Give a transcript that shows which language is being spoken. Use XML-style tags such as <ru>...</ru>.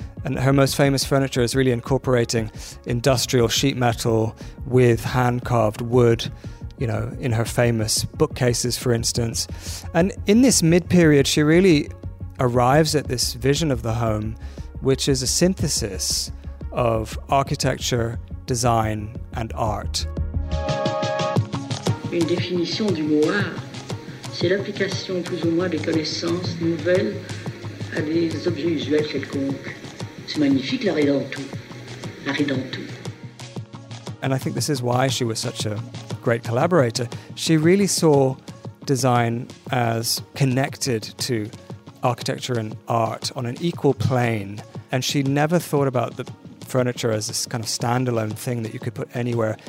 <en>And her most famous furniture is really incorporating industrial sheet metal with hand-carved wood, you know, in her famous bookcases, for instance. And in this mid-period, she really arrives at this vision of the home, which is a synthesis of architecture, design, and art.</en> <fr>Une définition du mot art, c'est l'application plus ou moins des connaissances nouvelles à des objets usuels quelconques. C'est magnifique, l'art est dans tout. L'art est dans tout.</fr> <en>And I think this is why she was such a great collaborator. She really saw design as connected to architecture and art on an equal plane, and she never thought about the furniture as this kind of standalone thing that you could put anywhere.</en>